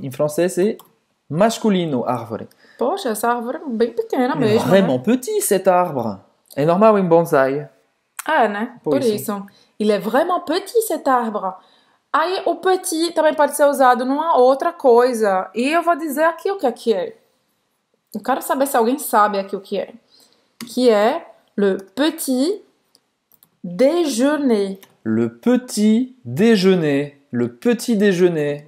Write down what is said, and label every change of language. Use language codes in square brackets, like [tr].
[pt] Em francês, é masculino, árvore. Poxa, essa árvore é bem pequena mesmo. [fr] Il est vraiment petit, cet arbre. [pt] É normal em bonsai. É, né? Por isso. [fr] Il est vraiment petit, cet arbre. [pt] Aí, o petit também pode ser usado numa outra coisa. E eu vou dizer aqui o que é que é. Eu quero saber se alguém sabe aqui o que é. Que é [fr] le petit déjeuner. Le petit déjeuner. Le petit déjeuner.